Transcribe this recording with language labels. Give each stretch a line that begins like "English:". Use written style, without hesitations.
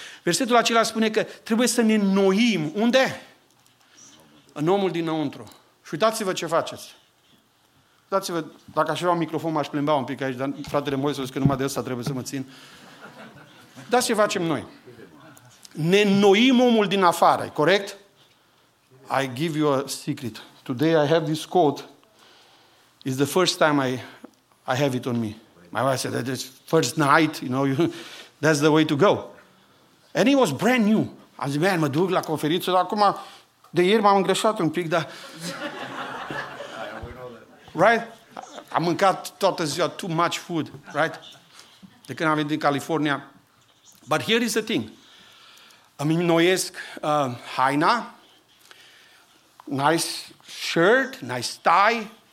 Romanian: Versetul acela spune că trebuie să ne înnoim. Unde? În omul dinăuntru. Și uitați-vă ce faceți. Uitați-vă, dacă aș avea un microfon, m-aș plimba un pic aici, dar fratele Moise a zis că numai de ăsta trebuie să mă țin. Dar ce facem noi? Ne înnoim omul din afară, corect?
English: I give you a secret. Today I have this coat. It's the first time I have it on me. My wife said, that's first night, you know, that's the way to go. And it was brand new. I said, man,
Romanian: mă duc la conferință, dar acum, de ieri m-am îngreșat un pic, dar...
English: Right?
Romanian: Am mâncat toată ziua
English: too much food, right?
Romanian: De când am venit din California.
English: But here is the thing.
Romanian: Îmi înnoiesc haina,
English: nice shirt, nice tie.